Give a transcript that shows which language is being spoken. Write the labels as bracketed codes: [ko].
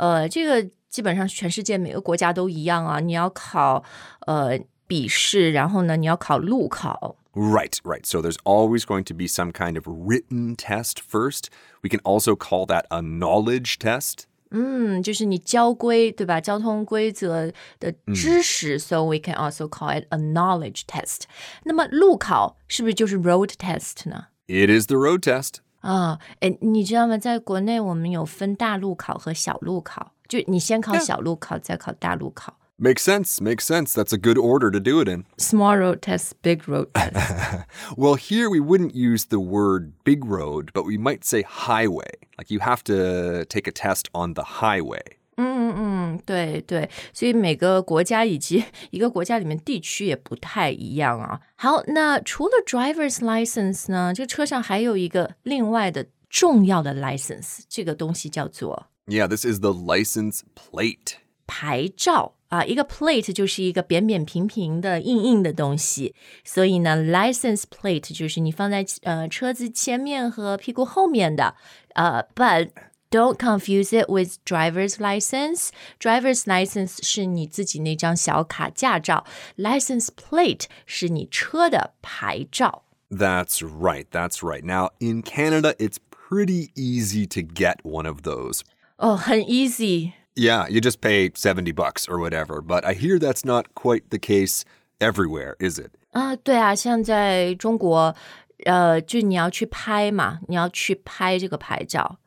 [zh] 这个基本上全世界每个国家都一样啊。你要考笔试，然后呢，你要考路考。 [en] Right, right. So there's always going to be some kind of written test first. We can also call that a knowledge test. [zh] 就是你交规，对吧？交通规则的知识。 [en] So we can also call it a knowledge test. [zh] 那么路考是不是就是 [en] road test 呢？ It is the road test. [zh] 你知道吗？在国内我们有分大路考和小路考。就你先考小路考，再考大路考。 [en] Makes sense, makes sense. That's a good order to do it in. Small road test, big road test. Well, here we wouldn't use the word big road, but we might say highway. Like you have to take a test on the highway. [zh] 对对。所以每个国家以及一个国家里面地区也不太一样啊。好，那除了 driver's license 呢，这个车上还有一个另外的重要的 license, 这个东西叫做。 [en] Yeah, this is the license plate. [zh] 牌照。一个 plate 就是一个扁扁平平的硬硬的东西，所以呢 license plate 就是你放在车子前面和屁股后面的。 [en] But don't confuse it with driver's license. [zh] Driver's license 是你自己那张小卡驾照， license plate 是你车的牌照。 [en] That's right, that's right. Now in Canada, it's pretty easy to get one of those. [zh] Oh, 很 easy. [en] Yeah, you just pay $70 or whatever. But I hear that's not quite the case everywhere, is it? [zh] 对啊，像在中国，就你要去拍嘛，你要去拍这个牌照。